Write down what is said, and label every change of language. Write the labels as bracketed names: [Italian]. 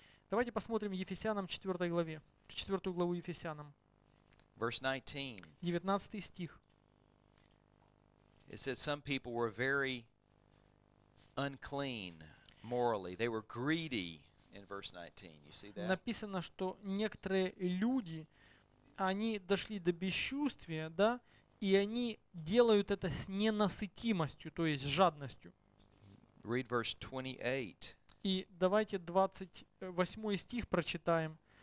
[Russian] Давайте посмотрим Ефесянам 4 главе, 4 главу Ефесянам. [English] Verse 19. [Russian] 19 стих. [English] It said some people were very unclean morally. They were greedy in verse 19. You see that? [Russian] Написано, что некоторые люди, они дошли до бесчувствия, да, и они делают это с ненасытимостью, то есть жадностью. [English] Read verse 28. [Russian] И давайте 28 стих прочитаем.